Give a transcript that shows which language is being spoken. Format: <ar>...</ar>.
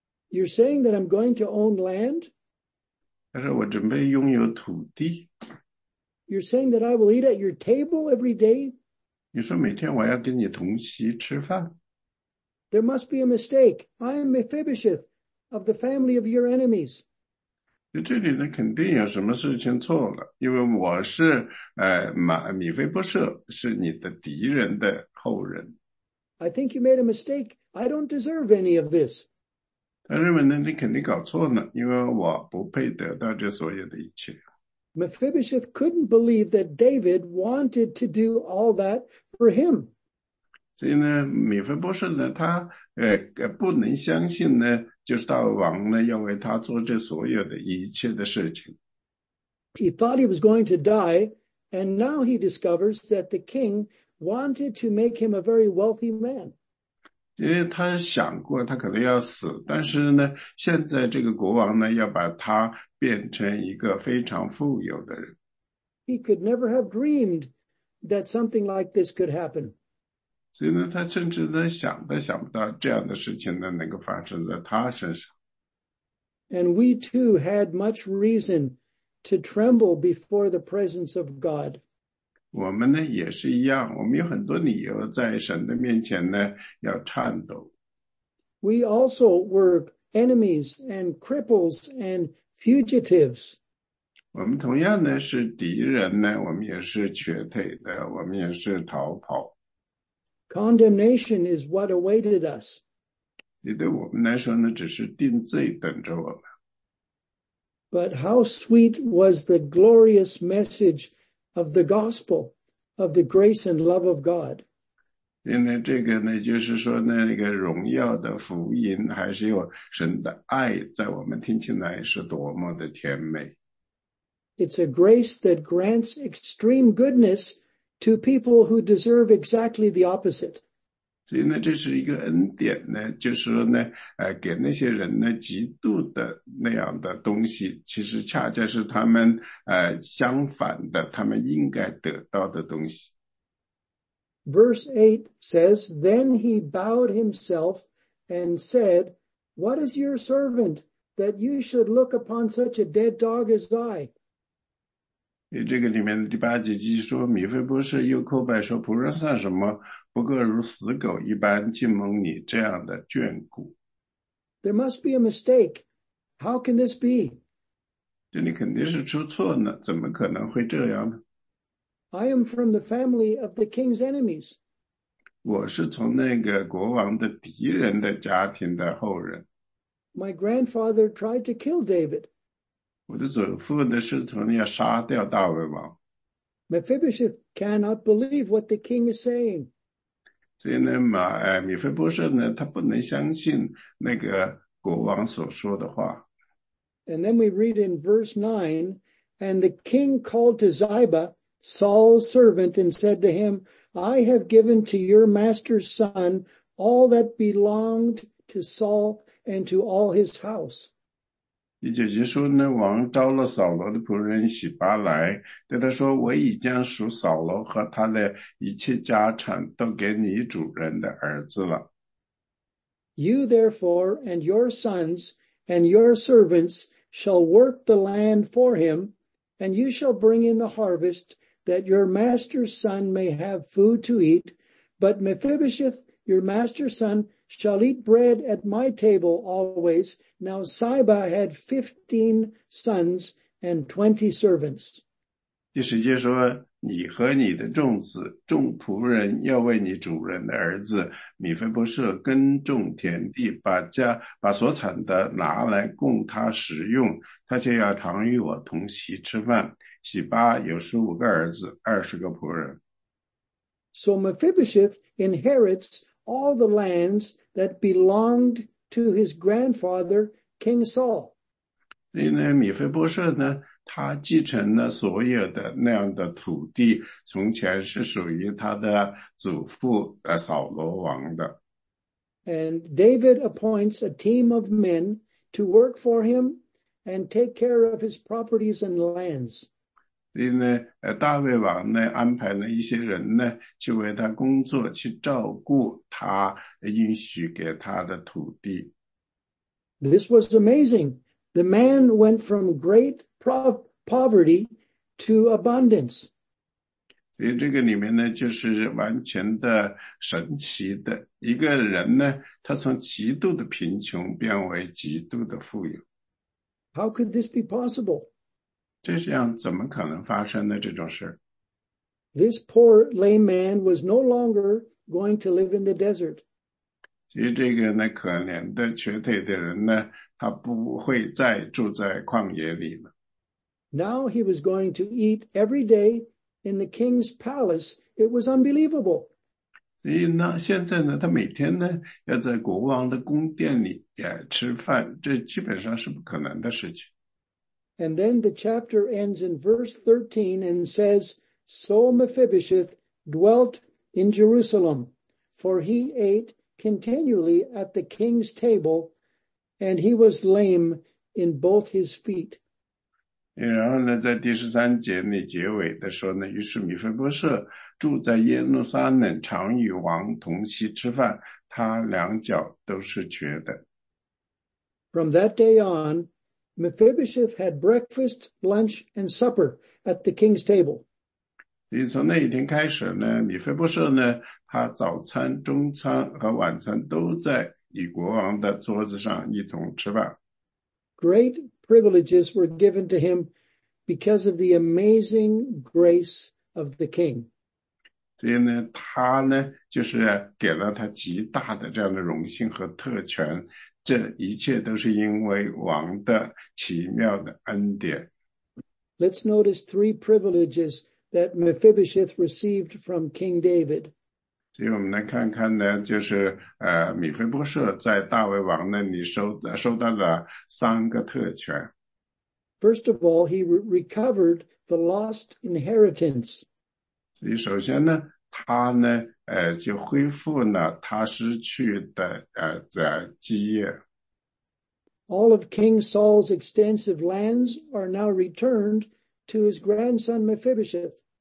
<en>You're saying that I'm going to own land?</en> <zh>他说我准备拥有土地。</zh> <en>You're saying that I will eat at your table every day?</en> <zh>你说每天我要跟你同席吃饭。</zh> <en>There must be a mistake. I am Mephibosheth of the family of your enemies.</en> <zh>这里呢肯定有什么事情错了，因为我是米非波设，是你的敌人的后人。</zh> <en>I think you made a mistake. I don't deserve any of this.</en> <zh>他认为呢你肯定搞错了，因为我不配得到这所有的一切。</zh> <en>Mephibosheth couldn't believe that David wanted to do all that for him.</en> <zh>所以呢，米非波设呢，他不能相信呢，就是大卫王呢要为他做这所有的一切的事情。</zh> <en>He thought he was going to die, and now he discovers that the king wanted to make him a very wealthy man.</en> <zh>因为他想过他可能要死，但是呢，现在这个国王呢要把他变成一个非常富有的人。</zh> <en>He could never have dreamed that something like this could happen.</en> <zh>所以呢，他甚至呢想都想不到这样的事情呢能够发生在他身上。</zh> <en>And we too had much reason to tremble before the presence of God.</en> <zh>我们呢也是一样，我们有很多理由在神的面前呢要颤抖。</zh> <en>We also were enemies and cripples and fugitives.</en> <zh>我们同样呢是敌人呢，我们也是瘸腿的，我们也是逃跑。</zh> <en>Condemnation is what awaited us.</en> <zh>也对我们来说呢，只是定罪等着我们。</zh> <en>But how sweet was the glorious message of the gospel of the grace and love of God?</en> <zh>因为这个呢，就是说呢，那个荣耀的福音，还是有神的爱，在我们听起来是多么的甜美。</zh> <en>It's a grace that grants extreme goodness to people who deserve exactly the opposite.</en> <zh>所以呢，这是一个恩典呢，就是说呢，给那些人呢，极度的那样的东西，其实恰恰是他们相反的，他们应该得到的东西。</zh> <en>Verse 8 says, Then he bowed himself and said, What is your servant that you should look upon such a dead dog as I?</en> <zh>这个里面的第八节继续说，米非波设又叩拜说，仆人算什么，不过如死狗一般竟蒙你这样的眷顾。</zh> <en>There must be a mistake. How can this be?</en> <zh>这里肯定是出错呢，怎么可能会这样呢？</zh> <en>I am from the family of the king's enemies.</en> <zh>我是从那个国王的敌人的家庭的后人。</zh> <en>My grandfather tried to kill David.</en> <zh>我的祖父呢是从那要杀掉大卫王。</zh> <en>Mephibosheth cannot believe what the king is saying.</en> <zh>所以呢，米非波设呢，他不能相信那个国王所说的话。</zh> <en>And then we read in verse 9, and the king called to Ziba. Saul's servant and said to him, I have given to your master's son all that belonged to Saul and to all his house.</en> <zh>第九节说呢，王召了扫罗的仆人洗巴来，对他说，我已将属扫罗和他的一切家产都给你主人的儿子了。</zh> <en>You therefore and your sons and your servants shall work the land for him, and you shall bring in the harvest,that your master's son may have food to eat, but Mephibosheth, your master's son, shall eat bread at my table always. Now Ziba had 15 sons and 20 servants.</en> <zh>第十节说，你和你的众子、众仆人要为你主人的儿子米非波设耕种田地，把所产的拿来供他食用，他却要常与我同席吃饭。洗巴有15个儿子，20个仆人。</zh> <en>So Mephibosheth inherits all the lands that belonged to his grandfather, King Saul.</en> <zh>所以呢，米非波设呢，他继承了所有的那样的土地，从前是属于他的祖父扫罗王的。</zh> <en>And David appoints a team of men to work for him and take care of his properties and lands.</en> <zh>所以呢，大卫王呢安排了一些人呢去为他工作，去照顾他应许给他的土地。</zh> <en>This was amazing. The man went from great poverty to abundance.</en> <zh>所以这个里面呢，就是完全的神奇的一个人呢，他从极度的贫穷变为极度的富有。</zh> <en>How could this be possible?</en> <zh>这样怎么可能发生的这种事？</zh> <en>This poor lame man was no longer going to live in the desert.</en> <zh>其实这个呢，可怜的瘸腿的人呢，他不会再住在旷野里了。</zh> <en>Now he was going to eat every day in the king's palace. It was unbelievable.</en> <zh>所以呢，现在呢，他每天呢，要在国王的宫殿里吃饭，这基本上是不可能的事情。</zh> <en>And then the chapter ends in verse 13 and says, So Mephibosheth dwelt in Jerusalem, for he ate continually at the king's table, and he was lame in both his feet.</en> <zh>然后呢，在第十三节那结尾的时候呢，于是米非波设住在耶路撒冷，常与王同席吃饭，他两脚都是瘸的。</zh> <en>From that day on,Mephibosheth had breakfast, lunch, and supper at the king's table.</en> <zh>所以从那一天开始呢，米非波设呢，他早餐、中餐和晚餐都在与国王的桌子上一同吃饭。</zh> <en>great privileges were given to him because of the amazing grace of the king.</en> <zh>所以呢，他呢，就是给了他极大的这样的荣幸和特权，这一切都是因为王的奇妙的恩典。</zh> <en>Let's notice three privileges that Mephibosheth received from King David.</en> <zh>所以我们来看看呢，就是米菲波设在大卫王那里收到了三个特权。</zh> <en>First of all, he recovered the lost inheritance.</en> <zh>所以首先呢，他呢，就恢复了他失去的基业。</zh> <en>All of King Saul's extensive lands are now returned to his grandson Mephibosheth.</en>